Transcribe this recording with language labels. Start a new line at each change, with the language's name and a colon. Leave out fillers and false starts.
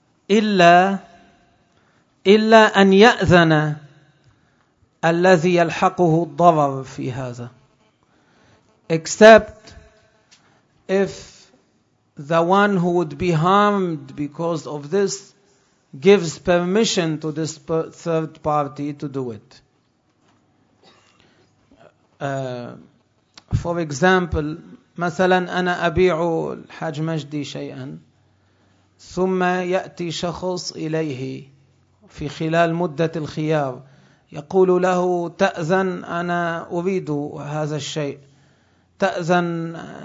Arabic: إلا أن يأذن الذي يلحقه الضرر في هذا.
English: Except if the one who would be harmed because of this gives permission to this third party to do it. For example,
Arabic: مثلا أنا أبيع الحاج مجدي شيئا ثم يأتي شخص إليه في خلال مدة الخيار يقول له تأذن أنا أريد هذا الشيء تأذن